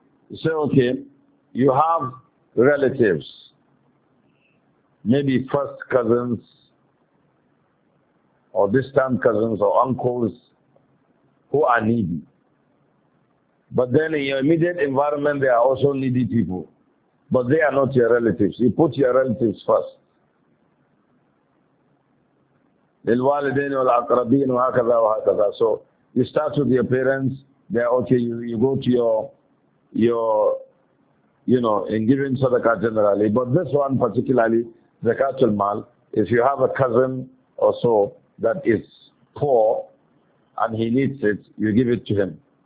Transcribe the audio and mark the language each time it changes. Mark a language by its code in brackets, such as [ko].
[en] You say, okay, you have relatives, maybe first cousins or distant cousins or uncles who are needy. But then in your immediate environment, there are also needy people, but they are not your relatives. You put your relatives first. [ar] للوالدين والأقربين وهكذا وهكذا. [en] So you start with your parents. They are okay. You go to your in giving sadaqah generally. But this one particularly, zakat al-mal, if you have a cousin or so that is poor and he needs it, you give it to him.